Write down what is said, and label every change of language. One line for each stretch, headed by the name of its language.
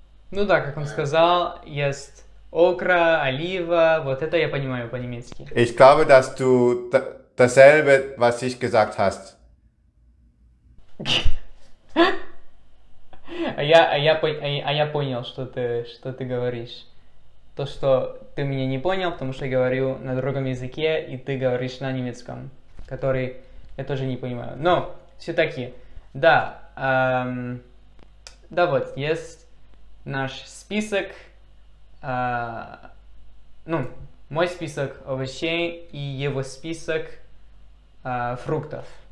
Russian: Ну да, как он сказал, есть окра, олива, вот это я понимаю по-немецки.
German: Ich glaube, dass du dasselbe, was ich gesagt hast.
Russian: А я понял, что ты говоришь. То, что ты меня не понял, потому что я говорю на другом языке, и ты говоришь на немецком, который я тоже не понимаю. Но все-таки, да, да вот, есть наш список, ну, мой список овощей и его список фруктов.